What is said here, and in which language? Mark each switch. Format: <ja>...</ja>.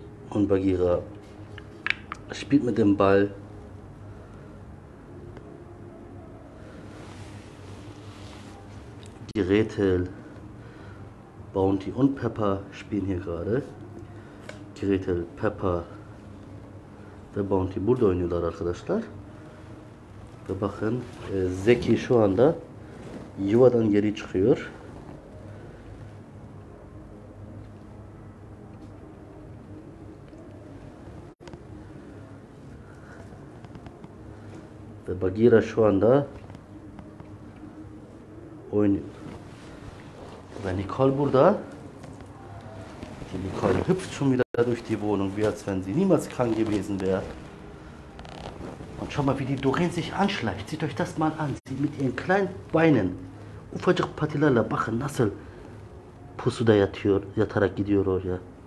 <de>Und Bagheera spielt mit dem Ball. Gretel, Bounty und Pepper spielen hier gerade.</de> <tr>Gretel, Pepper, der Bounty, burada oynuyorlar arkadaşlar. Ve bakın Zeki şu anda yuvadan geri çıkıyor. Ve Bagheera şu anda oynuyor. Ve Nicole burada.</tr> <de>Nicole hüpft schon wieder durch die Wohnung, wie als wenn sie niemals krank gewesen wäre. Schau mal, wie die Doreen sich anschleicht. Seht euch das mal an. Sie mit ihren kleinen Beinen.</de> <tr>Ufacık patilerle, bakın nasıl pusuda yatıyor, yatarak gidiyor oraya.</tr>